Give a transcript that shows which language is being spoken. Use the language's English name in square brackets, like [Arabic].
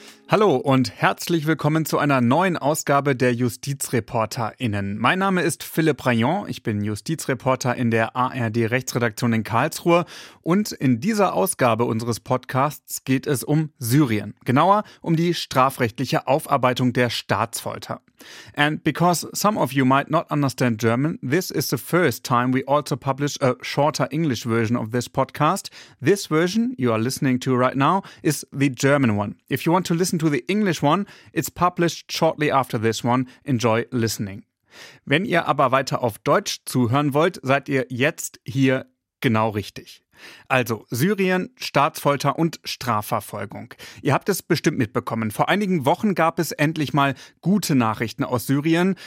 [German] Hallo und herzlich willkommen zu einer neuen Ausgabe der JustizreporterInnen. Mein Name ist Philipp Rayon, ich bin Justizreporter in der ARD-Rechtsredaktion in Karlsruhe und in dieser Ausgabe unseres Podcasts geht es um Syrien, genauer um die strafrechtliche Aufarbeitung der Staatsfolter. [English] And because some of you might not understand German, this is the first time we also publish a shorter English version of this podcast. This version you are listening to right now is the German one. If you want to listen to the English one, it's published shortly after this one. Enjoy listening. [German] Wenn ihr aber weiter auf Deutsch zuhören wollt, seid ihr jetzt hier genau richtig. Also Syrien, Staatsfolter und Strafverfolgung. Ihr habt es bestimmt mitbekommen. Vor einigen Wochen gab es endlich mal gute Nachrichten aus Syrien.